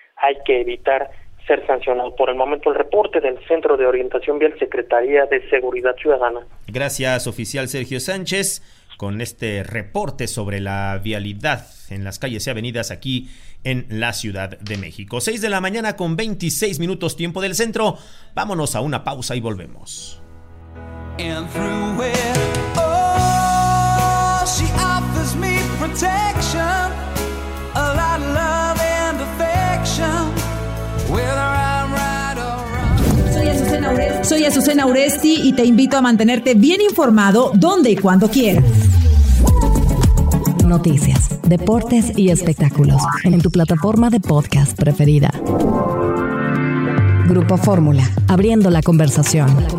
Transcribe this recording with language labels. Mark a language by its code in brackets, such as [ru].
[es] Hay que evitar ser sancionado. Por el momento, el reporte del Centro de Orientación Vial, Secretaría de Seguridad Ciudadana. Gracias, oficial Sergio Sánchez, con este reporte sobre la vialidad en las calles y avenidas aquí en la Ciudad de México. 6 de la mañana con 26 minutos, tiempo del centro. Vámonos a una pausa y volvemos. [en] And through it, oh, she offers me protection, a lot of love and affection, whether I'm right or wrong. [es] Soy Azucena Uresti y te invito a mantenerte bien informado donde y cuando quieras. Noticias, deportes y espectáculos en tu plataforma de podcast preferida. Grupo Fórmula, abriendo la conversación.